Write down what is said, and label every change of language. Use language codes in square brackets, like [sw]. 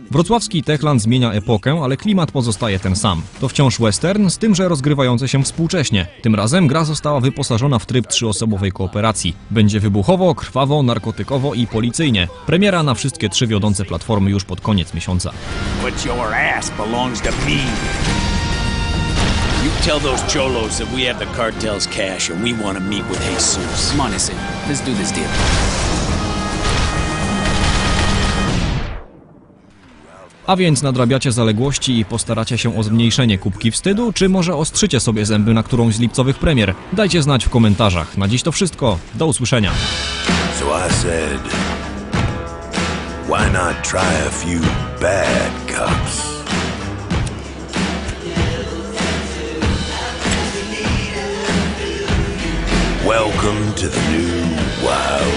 [pl] Wrocławski Techland zmienia epokę, ale klimat pozostaje ten sam. To wciąż western, z tym, że rozgrywający się współcześnie. Tym razem gra została wyposażona w tryb trzyosobowej kooperacji. Będzie wybuchowo, krwawo, narkotykowo i policyjnie. Premiera na wszystkie trzy wiodące platformy już pod koniec miesiąca. [en] But your ass belongs to me. You tell those cholos that we have the cartel's cash and we want to meet with Jesus. Come on, listen. Let's do this deal. [pl] A więc nadrabiacie zaległości i postaracie się o zmniejszenie kubki wstydu, czy może ostrzycie sobie zęby na którąś z lipcowych premier? Dajcie znać w komentarzach. Na dziś to wszystko. Do usłyszenia. [en] So I said, why not try a few bad cups? Welcome to the new world.